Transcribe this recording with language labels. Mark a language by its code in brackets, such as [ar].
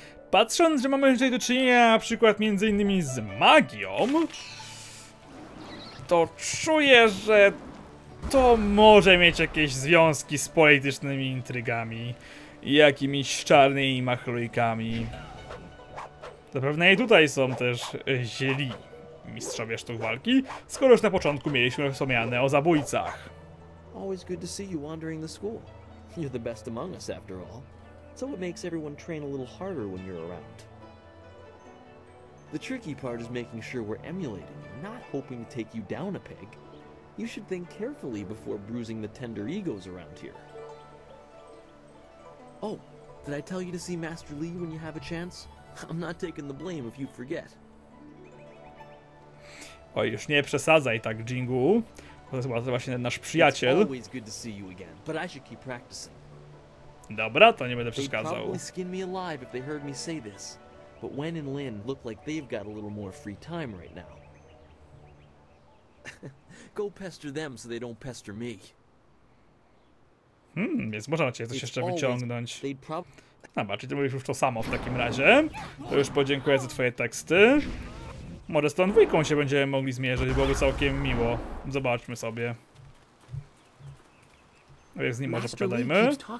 [pl] Patrząc, że mamy tutaj do czynienia na przykład między innymi z magią, to czuję, że to może mieć jakieś związki z politycznymi intrygami. Jakimiś czarnymi machlujkami. Zapewne i tutaj są też źli mistrzowie sztuk walki, skoro już na początku mieliśmy wspomniane o zabójcach. [en] Always good to see you wandering the school. You're the best among us after all. So it makes everyone train a little harder when you're around. The tricky part is making sure we're emulating you, not hoping to take you down a peg. You should think carefully before bruising the tender egos around here. Oh, did I tell you to see Master Lee when you have a chance? I'm not taking the blame if you forget. [pl] Oj, już nie przesadzaj tak, Jingu. To jest właśnie ten nasz przyjaciel. [en] It's always good to see you again, but I should keep practicing. [pl] Dobra, to nie będę przeszkadzał. [en] They'd probably skin me alive if they heard me say this. But Wen and Lin look like they've got a little more free time right now. Go pester them so they don't pester me. [pl] Więc można cię coś jeszcze wyciągnąć. Dobra, czyli ty mówisz już to samo w takim razie. To już podziękuję za twoje teksty. Może z tą dwójką się będziemy mogli zmierzyć, byłoby całkiem miło. Zobaczmy sobie. Jak z nim może pogadajmy.